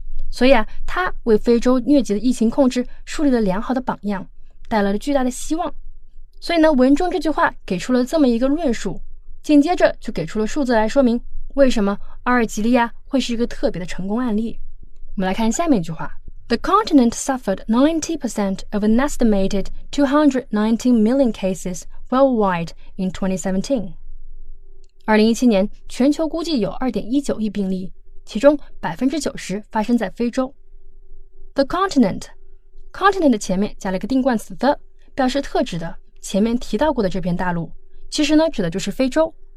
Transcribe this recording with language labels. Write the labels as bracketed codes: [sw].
[zh] 所以啊，他为非洲疟疾的疫情控制树立了良好的榜样，带来了巨大的希望。所以呢，文中这句话给出了这么一个论述，紧接着就给出了数字来说明为什么阿尔及利亚会是一个特别的成功案例。我们来看下面一句话。 [en] The continent suffered 90% of an estimated 219 million cases worldwide in 2017. [zh] 2017年全球估计有 2.19 亿病例，其中 90% 发生在非洲。 [en] The continent [zh] 前面加了个定冠词 the， 表示特指的前面提到过的这片大陆，其实呢指的就是非洲。